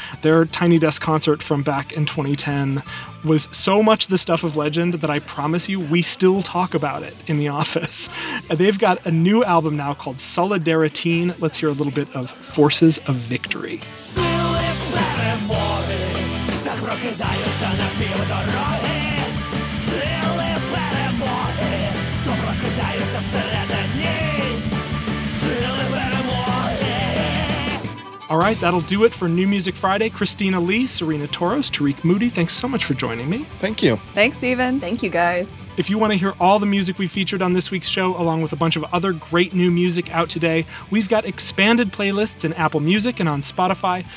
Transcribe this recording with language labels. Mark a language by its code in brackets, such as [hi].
[en] Their Tiny Desk concert from back in 2010 was so much the stuff of legend that I promise you, we still talk about it in the office. They've got a new album now called Solidaritine. Let's hear a little bit of Forces of Victory. [uk] Прокидаються на півдороги, сили перемоги, то прокидаються всередині, сили перемоги. [en] All right, that'll do it for New Music Friday. Christina Lee, Serena Toros, Tariq Moody, thanks so much for joining me. Thank you. Thanks, Stephen. Thank you, guys. If you want to hear all the music we featured on this week's show, along with a bunch of other great new music out today, we've got expanded playlists in Apple Music and on Spotify.